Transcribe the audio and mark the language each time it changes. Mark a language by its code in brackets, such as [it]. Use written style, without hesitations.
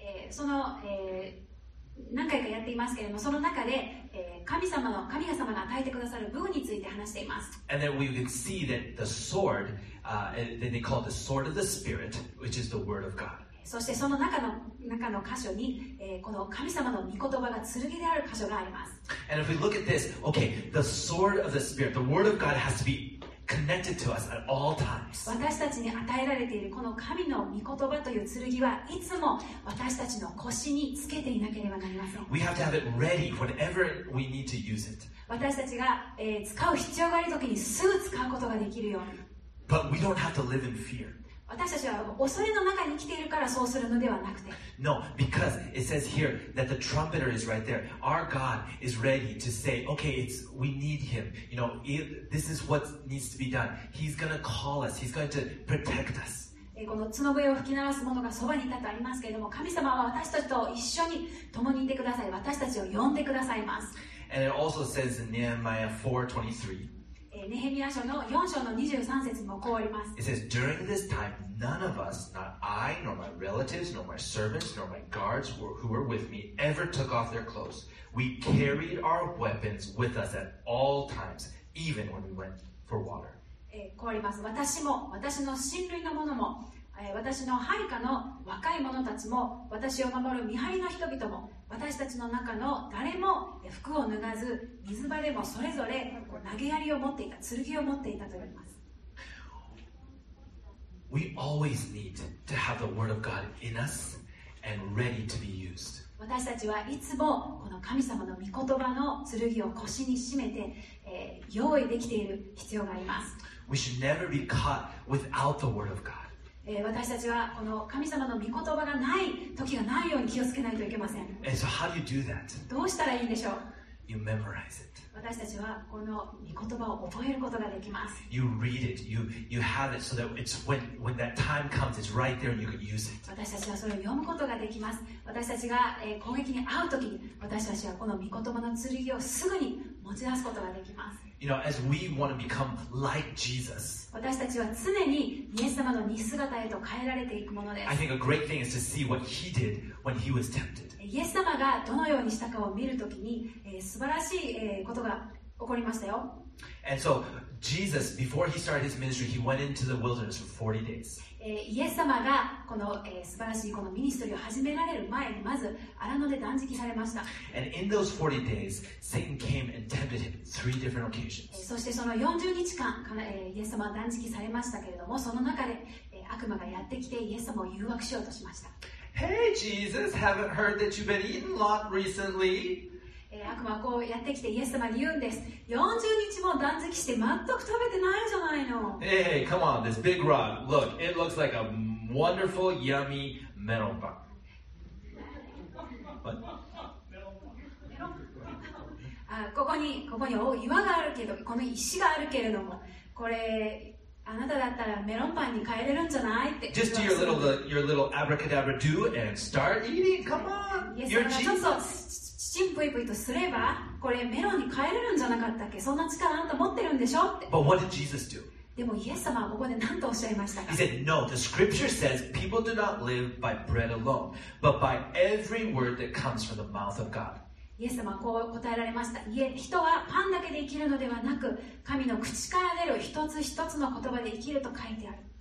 [ja] その、何回かやっていますけれども、その中で、神様が与えてくださる武具について話しています。 [en] And then we can see that the sword, then they call it the sword of the spirit, which is the word of God. [ja] そしてその中の箇所に、この神様の御言葉が剣である箇所があります。 [en] And if we look at this, okay, the sword of the spirit, the word of God has to be connected to us at all times. [ja] 私たちに与えられているこの神の御言葉という剣はいつも私たちの腰につけていなければなりません。 [en] We have to have it ready whenever we need to use it. [ja] 私たちが、使う必要があるときにすぐ使うことができるように。 [en] But we don't have to live in fear. [ja] 私たちは恐れの中に来ているからそうするのではなくて。 [en] No, because it says here that the trumpeter is right there. Our God is ready to say, okay, it's, we need him. You know, this is what needs to be done. He's going to call us. He's going to protect us. [ja] この角笛を吹き鳴らす者がそばにいたとありますけれども、神様は私たちと一緒に共にいてください。私たちを呼んでくださいます。 [en] And it also says in Nehemiah 4:23. [ja] ネヘミヤ書の4章の23節にもこうあります。 [en] It says, during this time, none of us, not I, nor my relatives, nor my servants, nor my guards who were with me, ever took off their clothes. We carried our weapons with us at all times, even when we went for water. [ja] こうあります。私も、私の親類の者も、私の配下の若い者たちも、私を守る見張りの人々も、私たちの中の誰も服を脱がず、水場でもそれぞれ投げ槍を持っていた、剣を持っていたと言います。 [en] We always need to have the word of God in us and ready to be used. [ja] 私たちはいつもこの神様の御言葉の剣を腰に締めて、用意できている必要があります。 [en] We should never be caught without the word of God. [ja] 私たちはこの神様の御言葉がない時がないように気をつけないといけません。 [en] So、how do you do that? [ja] どうしたらいいんでしょう [en] you memorize it. [ja] 私たちはこの御言葉を覚えることができます。 [en] You read it, you have it so that it's when that time comes, it's right there and you can use it. [ja] 私たちはそれを読むことができます。私たちが攻撃に遭う時に私たちはこの御言葉の剣をすぐに持ち出すことができます。 [en] You know, as we want to become like Jesus, [ja] 私たちは常にイエス様の似姿へと変えられていくものです。 [en] I think a great thing is to see what he did when he was tempted. [ja] イエス様がどのようにしたかを見るときに、素晴らしい、ことが起こりましたよ。 [en] And so, Jesus, before he started his ministry, he went into the wilderness for 40 days. [ja] イエス様がこの、素晴らしいこのミニストリーを始められる前に、まず荒野で断食されました。 [en] And in those 40 days, Satan came and tempted him three different occasions. [ja] そしてその40日間、イエス様は断食されましたけれども、その中で、悪魔がやってきてイエス様を誘惑しようとしました。 [en] Hey, Jesus, haven't heard that you've been eating a lot recently? 悪魔はこうやってきてイエス様に言うんです。40日も断食して全く食べてないじゃないの。 Hey, come on, this big rock. Look, it looks like a wonderful, yummy melon bar. What? [ja] ここに岩があるけど、この石があるけれども、これ。あなただったらメロンパンに変えれるんじゃないって。 [en] Just do your little abracadabra do and start eating. Come on, you're Jesus. [ja] チンプイプイとすればこれメロンに変えれるんじゃなかったっけそんな力あなた持ってるんでしょって [en] But what did Jesus do? [ja] でもイエス様はここで何とおっしゃいましたか [en] He said, No, the scripture says people do not live by bread alone, but by every word that comes from the mouth of God. [ja] イエス様はこう答えられました。いえ、人はパンだけで生きるのではなく、神の口から出る一つ一つの言葉で生きると書いてある。